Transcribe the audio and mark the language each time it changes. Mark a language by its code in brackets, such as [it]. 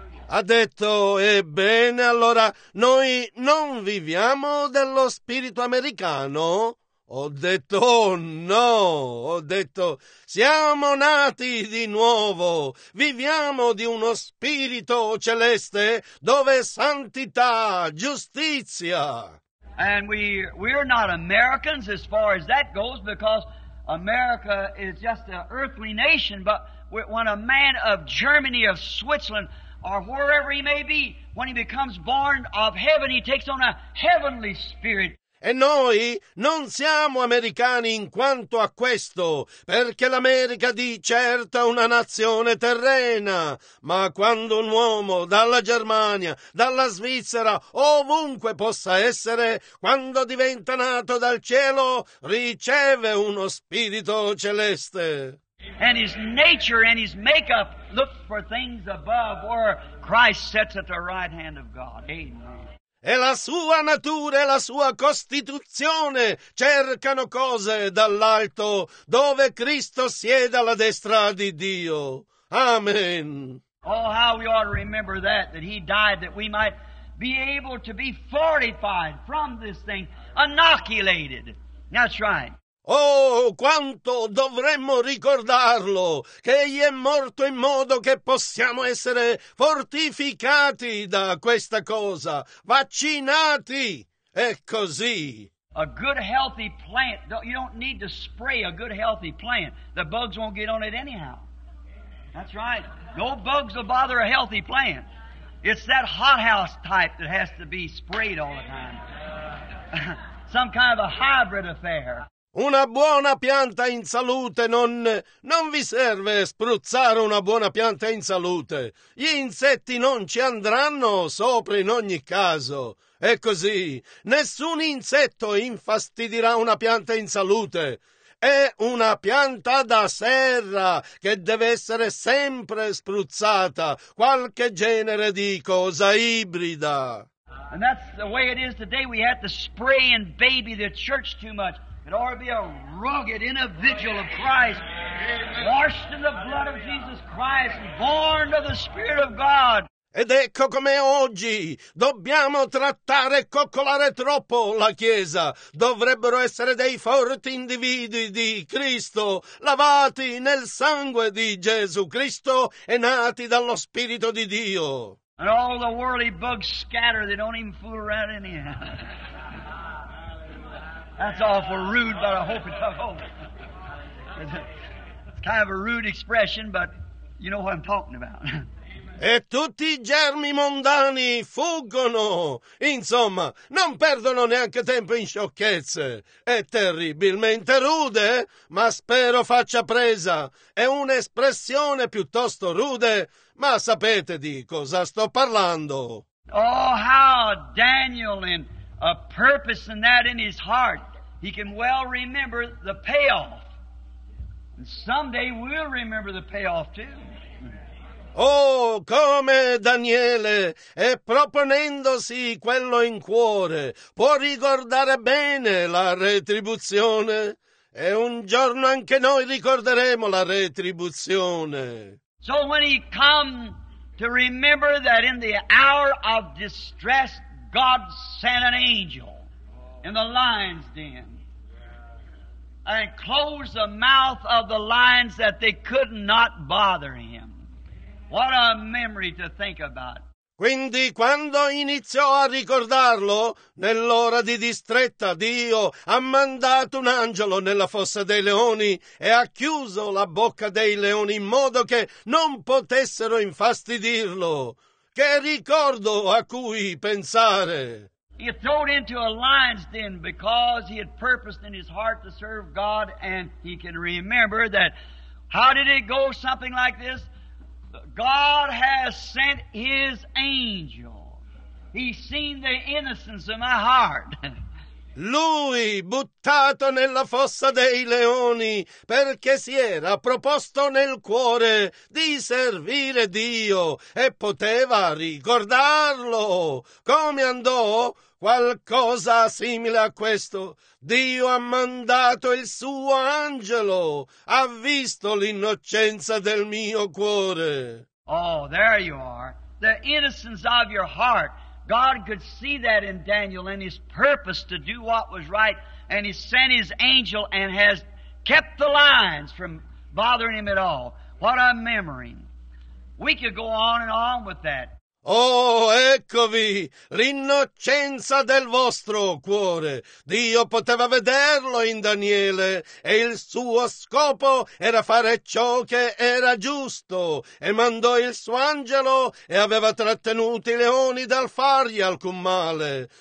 [it] Ha detto, ebbene, allora, noi non viviamo dello spirito americano? Ho detto, oh no, ho detto, siamo nati di nuovo, viviamo di uno spirito celeste dove santità, giustizia. [en] And we're not Americans as far as that goes because America is just an earthly nation, but when a man of Germany, of Switzerland, or wherever he may be, when he becomes born of heaven, he takes on a heavenly spirit. [it] E noi non siamo americani in quanto a questo, perché l'America di certo è una nazione terrena, ma quando un uomo dalla Germania, dalla Svizzera, ovunque possa essere, quando diventa nato dal cielo, riceve uno spirito celeste. [en] And his nature and his makeup look for things above where Christ sits at the right hand of God. Amen. [it] E la sua natura e la sua costituzione cercano cose dall'alto, dove Cristo siede alla destra di Dio. Amen. [en] Oh, how we ought to remember that, that he died, that we might be able to be fortified from this thing, inoculated. That's right. [it] Oh, quanto dovremmo ricordarlo, che egli è morto in modo che possiamo essere fortificati da questa cosa, vaccinati, è così. [en] A good healthy plant, you don't need to spray a good healthy plant, the bugs won't get on it anyhow. That's right, no bugs will bother a healthy plant. It's that hothouse type that has to be sprayed all the time. Some kind of a hybrid affair. [it] Una buona pianta in salute non vi serve spruzzare una buona pianta in salute. Gli insetti non ci andranno sopra in ogni caso. È così. Nessun insetto infastidirà una pianta in salute. È una pianta da serra che deve essere sempre spruzzata. Qualche genere di cosa ibrida. [en] And that's the way it is today. We have to spray and baby the church too much. It ought to be a rugged individual of Christ, washed in the blood of Jesus Christ, born of the Spirit of God. [it] Ed ecco come oggi dobbiamo trattare e coccolare troppo la Chiesa. Dovrebbero essere dei forti individui di Cristo, lavati nel sangue di Gesù Cristo e nati dallo Spirito di Dio. [en] And all the whirly bugs scatter. They don't even fool around anyhow. That's awful rude, but I hope it's not over. It's kind of a rude expression, but you know what I'm talking about. [it] E tutti i germi mondani fuggono. Insomma, non perdono neanche tempo in sciocchezze. È terribilmente rude, ma spero faccia presa. È un'espressione piuttosto rude, ma sapete di cosa sto parlando. [en] Oh, how Daniel and a purpose in that in his heart. He can well remember the payoff. And someday we'll remember the payoff too. [it] Oh, come Daniele, e proponendosi quello in cuore, può ricordare bene la retribuzione, e un giorno anche noi ricorderemo la retribuzione. [en] So when he come to remember that in the hour of distress, God sent an angel in the lion's den, and closed the mouth of the lions that they could not bother him. What a memory to think about. [it] Quindi quando iniziò a ricordarlo, nell'ora di distretta Dio ha mandato un angelo nella fossa dei leoni e ha chiuso la bocca dei leoni in modo che non potessero infastidirlo. Che ricordo a cui pensare! [en] He had thrown into a lion's den because he had purposed in his heart to serve God, and he can remember that. How did it go? Something like this. God has sent his angel. He's seen the innocence of my heart. [it] Lui buttato nella fossa dei leoni perché si era proposto nel cuore di servire Dio e poteva ricordarlo. Come andò? Qualcosa simile a questo. Dio ha mandato il suo angelo. Ha visto l'innocenza del mio cuore. [en] Oh, there you are. The innocence of your heart. God could see that in Daniel and his purpose to do what was right. And he sent his angel and has kept the lions from bothering him at all. What a memory. We could go on and on with that. [it] Oh, eccovi, l'innocenza del vostro cuore. Dio poteva vederlo in Daniele e il suo scopo era fare ciò che era giusto e mandò il suo angelo e aveva trattenuto i leoni dal fargli alcun male.